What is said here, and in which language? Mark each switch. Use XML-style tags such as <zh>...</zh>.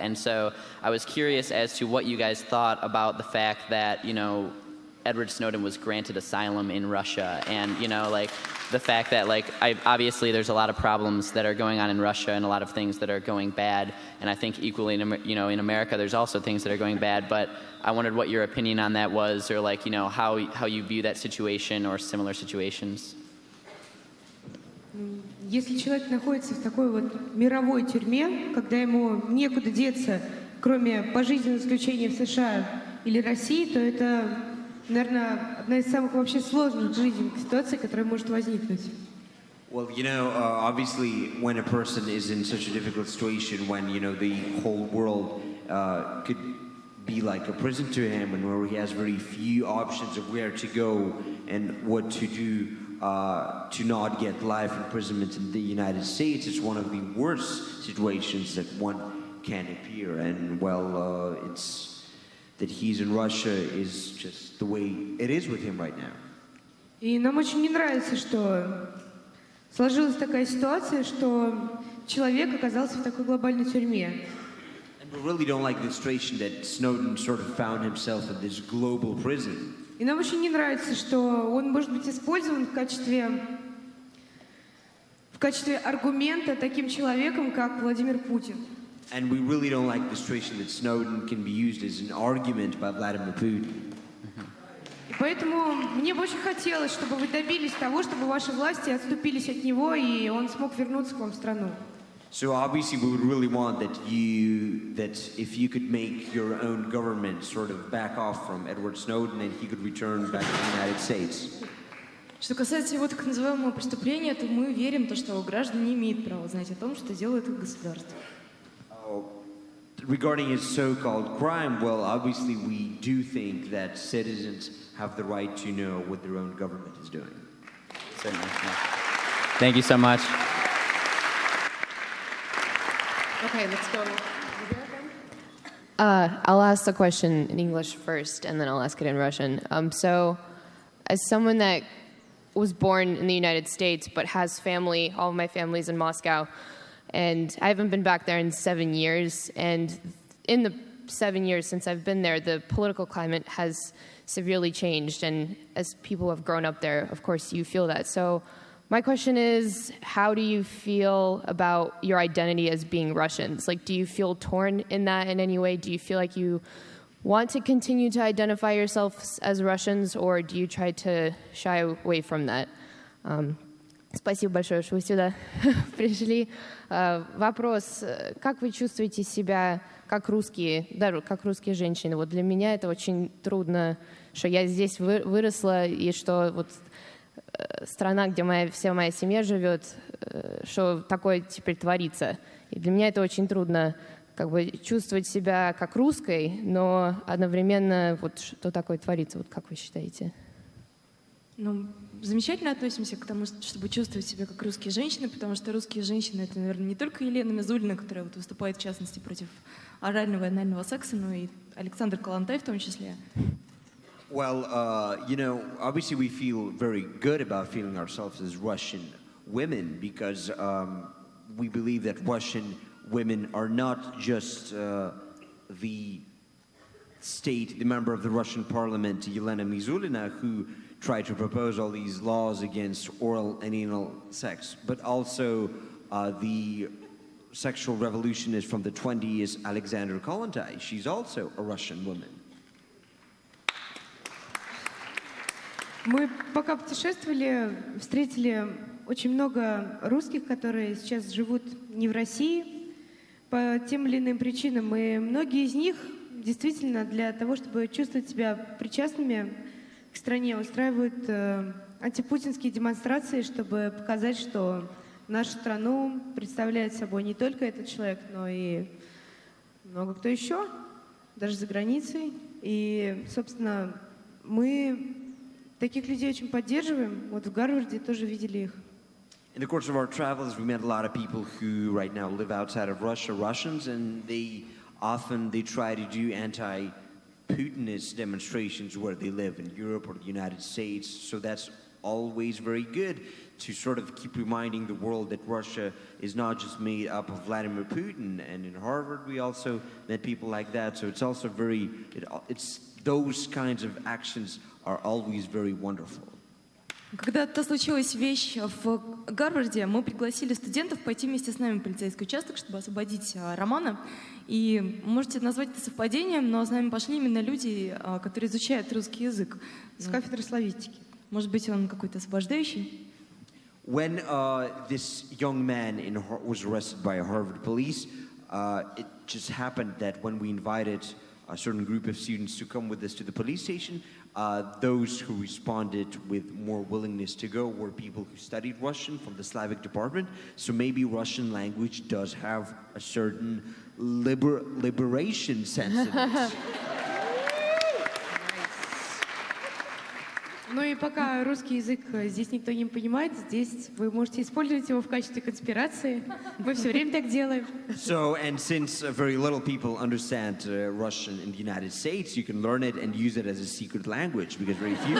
<en>And so I was curious as to what you guys thought about the fact that, you know, Edward Snowden was granted asylum in Russia, and, you know, like, the fact that, like, obviously there's a lot of problems that are going on in Russia and a lot of things that are going bad, and I think equally, in America, there's also things that are going bad, but I wondered what your opinion on that was, or, like, you know, how you view that situation or similar situations.</en> <ru>Если человек находится в такой вот мировой тюрьме, когда ему некуда деться, кроме пожизненного заключения в США или России, то это, наверное, одна из самых вообще сложных жизненных ситуаций, которая может возникнуть.</ru> <en>Well, you know, obviously, when a person is in such a difficult situation, when, you know, the whole world could be like a prison to him, and where he has very few options of where to go and what to do, to not get life imprisonment in the United States, it's one of the worst situations that one can appear. And, well, it's that he's in Russia is just the way it is with him right now.</en> <ru>И нам очень не нравится, что сложилась такая ситуация, что человек оказался в такой глобальной тюрьме.</ru> <en>And we really don't like the situation that Snowden sort of found himself in this global prison.</en> <ru>И нам очень не нравится, что он может быть использован в качестве аргумента таким человеком, как Владимир Путин.</ru> <en>And we really don't like the situation that Snowden can be used as an argument by Vladimir Putin.</en> <ru>И поэтому мне бы очень хотелось, чтобы вы добились того, чтобы ваши власти отступились от него, и он смог вернуться к вам в страну.</ru> <en>So obviously we would really want that if you could make your own government sort of back off from Edward Snowden and he could return back to the United States.</en> <ru>Что касается его так называемого преступления, то мы верим, что граждане имеют право знать о том, что делает их государство.</ru> <en>Regarding his so-called crime, well, obviously we do think that citizens have the right to know what their own government is doing. Thank you so much. Okay, let's go. I'll ask the question in English first, and then I'll ask it in Russian. So, as someone that was born in the United States, but has family, all of my family's in Moscow, and I haven't been back there in 7 years, and in the 7 years since I've been there, the political climate has severely changed, and as people have grown up there, of course, you feel that. So, my question is, how do you feel about your identity as being Russians? Like, do you feel torn in that in any way? Do you feel like you want to continue to identify yourself as Russians, or do you try to shy away from that?</en> <ru>Спасибо большое, что вы сюда пришли. Вопрос, как вы чувствуете себя как русские, даже как русские женщины? Вот для меня это очень трудно, что я здесь выросла, и что вот страна, где вся моя семья живет, что такое теперь творится. И для меня это очень трудно, как бы, чувствовать себя как русской, но одновременно вот что такое творится, вот как вы считаете? Ну, замечательно относимся к тому, чтобы чувствовать себя как русские женщины, потому что русские женщины — это, наверное, не только Елена Мизулина, которая вот выступает, в частности, против орального и анального секса, но и Александр Калантай в том числе.</ru> <en>Well, you know, obviously we feel very good about feeling ourselves as Russian women because we believe that Russian women are not just the member of the Russian parliament, Yelena Mizulina, who tried to propose all these laws against oral and anal sex, but also the sexual revolutionist from the 20s, Alexander Kollontai. She's also a Russian woman.</en> <ru>Мы пока путешествовали, встретили очень много русских, которые сейчас живут не в России. По тем или иным причинам. И многие из них действительно для того, чтобы чувствовать себя причастными к стране, устраивают антипутинские демонстрации, чтобы показать, что нашу страну представляет собой не только этот человек, но и много кто еще, даже за границей. И, собственно, мы таких людей очень поддерживаем. Вот в Гарварде тоже видели их.</ru> <en>In the course of our travels, we met a lot of people who right now live outside of Russia, Russians, and they try to do anti-Putinist demonstrations where they live, in Europe or the United States. So that's always very good to sort of keep reminding the world that Russia is not just made up of Vladimir Putin. And in Harvard, we also met people like that. So it's also very, it's those kinds of actions are always very wonderful.</en> <ru>Когда-то случилась вещь в Гарварде, мы пригласили студентов пойти вместе с нами в полицейский участок, чтобы освободить Романа. И можете назвать это совпадением, но с нами пошли именно люди, которые изучают русский язык с кафедры славистики. Может быть, он какой-то освобождающий?</ru> <en>When this young man was arrested by Harvard police, it just happened that when we invited a certain group of students to come with us to the police station, those who responded with more willingness to go were people who studied Russian from the Slavic department. So maybe Russian language does have a certain liberation sense of it.</en> <ru>Ну и пока русский язык здесь никто не понимает, здесь вы можете использовать его в качестве конспирации. Мы все время так делаем.</ru> <en>So, and since very little people understand Russian in the United States, you can learn it and use it as a secret language, because very few people</en>